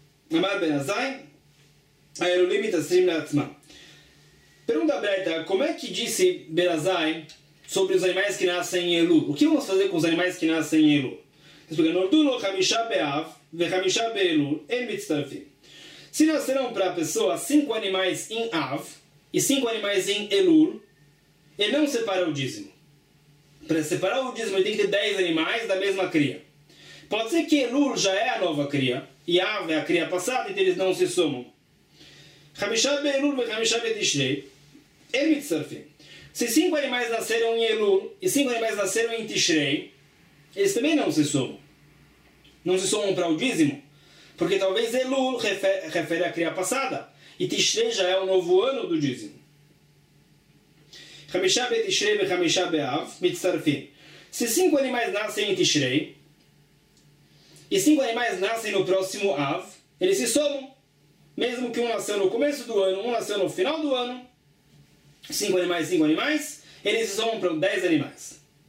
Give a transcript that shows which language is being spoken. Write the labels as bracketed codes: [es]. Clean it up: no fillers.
[he] למד בין הזין, האלולים מתעשרים לעצמם. [pt] Pergunta aberta, como é que disse Berazai sobre os animais que nascem em Elu? O que vamos fazer com os animais que nascem em Elu? Explicando, Ordulo, [he] Hamishá Be'av, Vechamishá Be'elul, Emitztarfim. [pt] Se nascerão para a pessoa cinco animais em Av e cinco animais em Elul, ele não separa o dízimo. Para separar o dízimo, ele tem que ter 10 animais da mesma cria. Pode ser que Elul já é a nova cria e Av é a cria passada, então eles não se somam. [he] חמישה באלול וחמישה בתשרי, הם מצטרפים. [pt] Se cinco animais nasceram em Elul e cinco animais nasceram em Tishrei, eles também não se somam. Não se somam para o dízimo. Porque talvez Elul refere à cria passada. E Tishrei já é o novo ano do dízimo. [he] חמישה בתשרי וחמישה באב, מצטרפים. [pt] Se cinco animais nascem em Tishrei e cinco animais nascem no próximo Av, eles se somam. Mesmo que um nasceu no começo do ano, um nasceu no final do ano, cinco animais, eles somam para 10 animais.